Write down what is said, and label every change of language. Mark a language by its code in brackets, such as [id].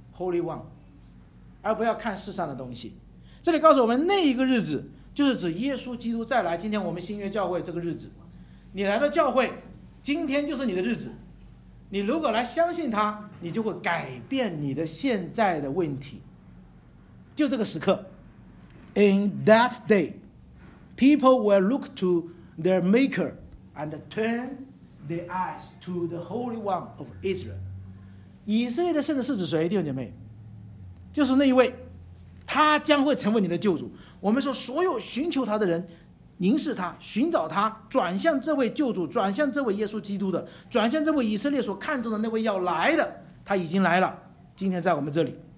[zh] Holy One， 而不要看世上的东西。这里告诉我们，那一个日子就是指耶稣基督再来，今天我们新约教会这个日子，你来到教会，今天就是你的日子，你如果来相信他，你就会改变你的现在的问题。就这个时刻， [en] In that day, people will look to their maker and turn their eyes to the Holy One of Israel. [zh] 以色列的圣者是指谁？弟兄姐妹，就是那一位，他将会成为你的救主。我们说所有寻求他的人，凝视他，寻找他，转向这位救主，转向这位耶稣基督的，转向这位以色列所看重的那位要来的，他已经来了，今天在我们这里。